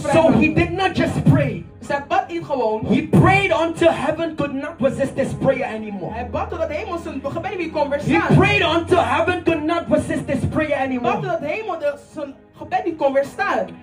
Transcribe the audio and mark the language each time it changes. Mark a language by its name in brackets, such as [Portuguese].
[English] vrijmaken. So he did not just pray. [Dutch] Dus hij bad niet gewoon. [English] He prayed until heaven could not resist this prayer anymore. [Dutch] Hij bad totdat de hemel zijn gebed niet kon weerstaan. [English] He prayed until heaven could not resist this prayer anymore. [Dutch] Bad totdat de hemel zijn gebed niet kon weerstaan.